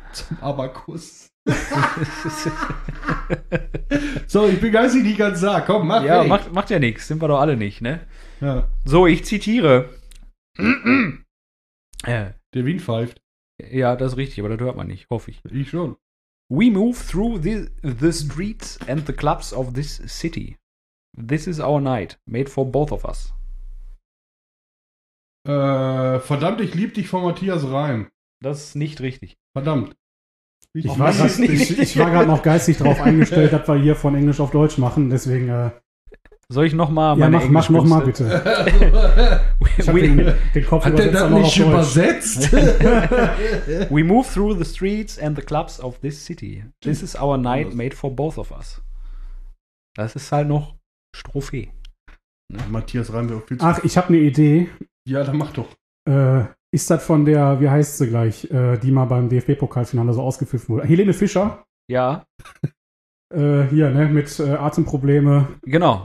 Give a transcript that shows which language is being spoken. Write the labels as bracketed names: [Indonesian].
[German] Zum Abakus. So, ich bin geistig nicht ganz da. Komm, mach. Ja, macht ja nichts. Sind wir doch alle nicht, ne? Ja. So, ich zitiere. Der Wind pfeift. Ja, das ist richtig, aber das hört man nicht, hoffe ich. Ich schon. [English] We move through the streets and the clubs of this city. This is our night, made for both of us. [German] Verdammt, ich lieb dich von Matthias Reim. Das ist nicht richtig. Verdammt. Ich war gerade noch geistig darauf eingestellt, dass wir hier von Englisch auf Deutsch machen, deswegen. Soll ich nochmal meine Englisch mach nochmal bitte. den Kopf hat der das nicht übersetzt? [English] We move through the streets and the clubs of this city. This is our night, made for both of us. [German] Das ist halt noch. Strophe. Ne? Matthias Reim wäre auch viel zu. Ach, ich habe eine Idee. Ja, dann mach doch. Ist das von der, wie heißt sie gleich, die mal beim DFB-Pokalfinale so ausgepfiffen wurde? Helene Fischer? Ja. Hier, ne, mit Atemprobleme. Genau.